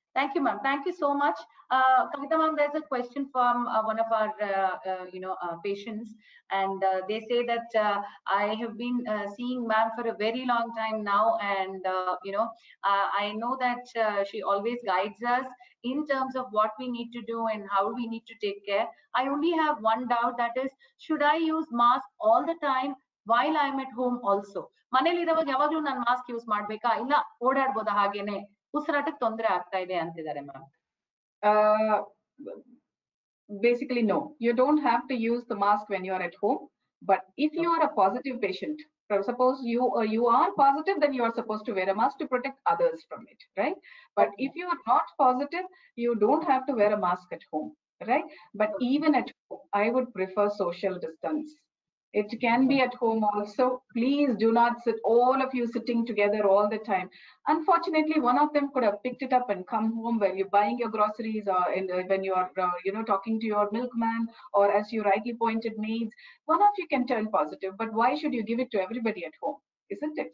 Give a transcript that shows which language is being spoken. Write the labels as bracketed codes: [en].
[en] Thank you ma'am, thank you so much. Kavita ma'am, there is a question from one of our you know patients, and they say that I have been seeing ma'am for a very long time now, and you know I know that she always guides us in terms of what we need to do and how we need to take care. I only have one doubt, that is should I use mask all the time while I am at home also. [kn] ಮನೆಯಲ್ಲಿ ಇರುವಾಗ ಯಾವಾಗಲೂ ನಾನು mask use ಮಾಡ್ಬೇಕಾ, ಇಲ್ಲ ಓಡಾಡಬಹುದ ಹಾಗೇನೆ ಉಸಿರಾಟಕ್ಕೆ ತೊಂದರೆ ಆಗ್ತಾ ಇದೆ ಅಂತಿದ್ದಾರೆ ma'am? [en] Basically no, you don't have to use the mask when you are at home, but if you are a positive patient, suppose you are positive, then you are suppose to wear a mask to protect others from it, right? But if you are not positive you don't have to wear a mask at home, right? But even at home I would prefer social distance. It can be at home also. Please do not sit, all of you sitting together all the time. Unfortunately, one of them could have picked it up and come home when you're buying your groceries or when you're talking to your milkman, or as you rightly pointed, maids. One of you can turn positive, but why should you give it to everybody at home, isn't it?